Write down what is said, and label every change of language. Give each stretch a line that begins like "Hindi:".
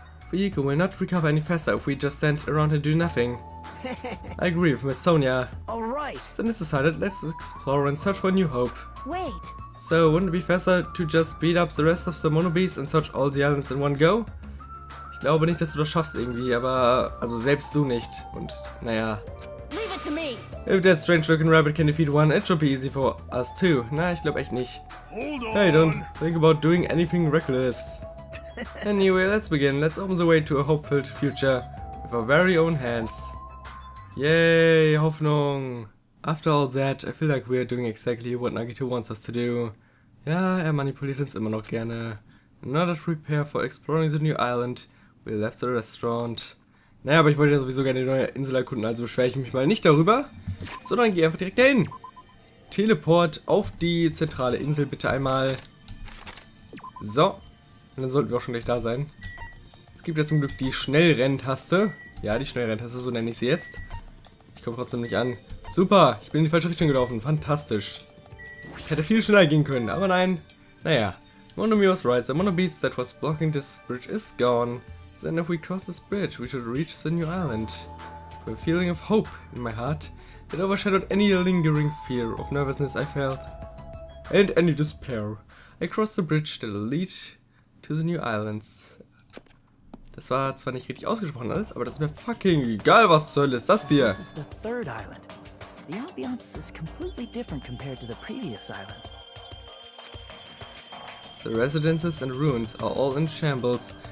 English: Fuyiko will not recover any faster if we just stand around and do nothing. I agree with Miss Sonia. Alright! So this decided, let's explore and search for new hope. Wait! So wouldn't it be faster to just beat up the rest of the Monobees and search all the islands in one go?
German: Ich glaube nicht, dass du das schaffst irgendwie, aber... Also selbst du nicht. Und naja...
English: Leave it to me. If that strange looking rabbit can defeat one, it should be easy for us too.
German: Na, ich glaube echt nicht.
English: Hold on. Hey, don't think about doing anything reckless. Anyway, let's begin. Let's open the way to a hope-filled future with our very own hands. Yay, Hoffnung! After all that, I feel like we're doing exactly what Nagito wants us to do. Yeah,
German: er manipuliert uns immer noch gerne.
English: In order to prepare for exploring the new island, we left the restaurant.
German: Naja, aber ich wollte ja sowieso gerne die neue Insel erkunden, also beschwere ich mich mal nicht darüber, sondern gehe einfach direkt dahin. Teleport auf die zentrale Insel bitte einmal. So. Und dann sollten wir auch schon gleich da sein. Es gibt ja zum Glück die Schnellrenntaste. Ja, die Schnellrenntaste, so nenne ich sie jetzt. Ich komme trotzdem nicht an. Super, ich bin in die falsche Richtung gelaufen. Fantastisch. Ich hätte viel schneller gehen können, aber nein. Naja.
English: Monomi was right. The Monobeast that was blocking this bridge is gone. So then if we cross this bridge, we should reach the new island. With a feeling of hope in my heart, it overshadowed any lingering fear of nervousness I felt. And any despair. I crossed the bridge that lead to the new islands.
German: Das war zwar nicht richtig ausgesprochen alles, aber das ist mir fucking egal, was zur Hölle ist das hier.
English: This is the third island. The ambiance is completely different compared to the previous islands. The residences and ruins are all in shambles.